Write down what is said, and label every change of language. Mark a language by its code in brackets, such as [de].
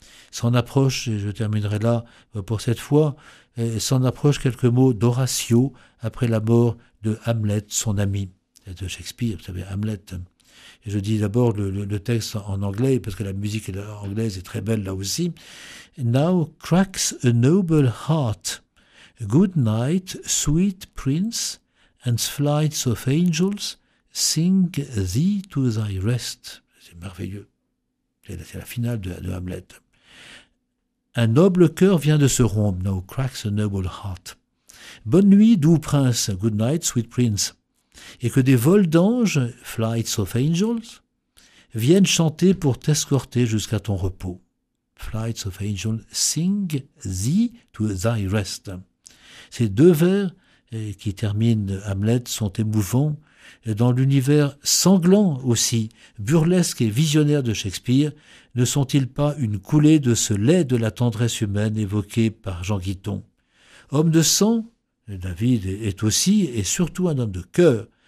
[fr] S'en approche, et je terminerai là pour cette fois, s'en approche quelques mots d'Horatio après la mort de Hamlet, son ami. de Shakespeare, vous savez, Hamlet. Et je dis d'abord le texte en anglais, parce que la musique anglaise est très belle là aussi. [en] Now cracks a noble heart. Good night, sweet prince, and flights of angels, sing thee to thy rest. [fr] C'est merveilleux. C'est la finale de Hamlet. Un noble cœur vient de se rompre. [en] Now cracks a noble heart. [fr] Bonne nuit, doux prince. [en] Good night, sweet prince. [fr] Et que des vols d'anges, [en] flights of angels, [fr] viennent chanter pour t'escorter jusqu'à ton repos. [en] Flights of angels, sing thee to thy rest. [fr] Ces deux vers qui terminent Hamlet sont émouvants. Dans l'univers sanglant aussi, burlesque et visionnaire de Shakespeare, ne sont-ils pas une coulée de ce lait de la tendresse humaine évoqué par Jean Guiton ? Homme de sang, David est aussi et surtout un homme de cœur.